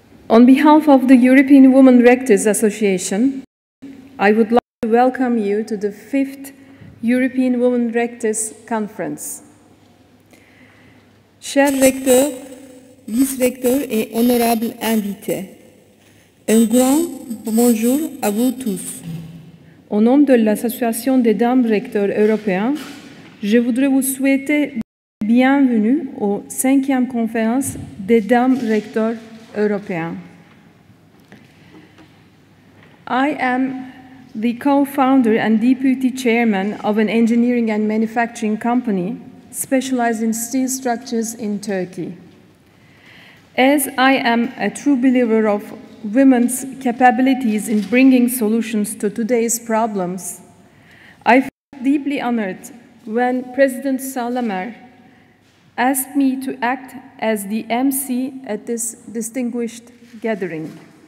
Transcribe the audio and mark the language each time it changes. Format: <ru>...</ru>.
<en>On behalf of the European Women Rectors Association, I would like to welcome you to the 5th European Women Rectors Conference.</en> <fr>Chers recteurs, vice recteurs et honorables invités, un grand bonjour à vous tous. Au nom de l'Association des Dames Recteurs Européens, je voudrais vous souhaiter bienvenue aux 5e conférence des Dames Recteurs Européens.</fr> <en>I am the co-founder and deputy chairman of an engineering and manufacturing company specialized in steel structures in Turkey. As I am a true believer of women's capabilities in bringing solutions to today's problems, I felt deeply honored when President Saglamer asked me to act as the MC at this distinguished gathering.</en>